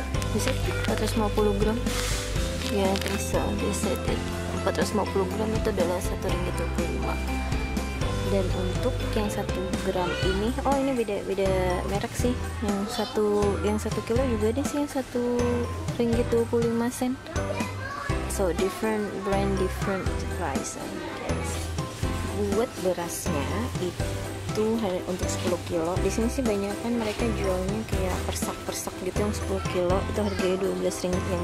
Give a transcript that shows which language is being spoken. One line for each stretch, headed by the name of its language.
Indonesian: Bisa 450 gram? Ya, bisa. Bisa. 450 gram itu adalah 1.25. Dan untuk yang 1 gram ini, oh ini beda merek sih. Yang satu kilo juga ada sih yang 1.25 sen.
English: So different brand, different price.
Indonesian: Guys, buat berasnya itu untuk 10 kilo. Di sini sih banyak kan mereka jualnya kayak persak-persak gitu yang 10 kilo itu harganya 12.50.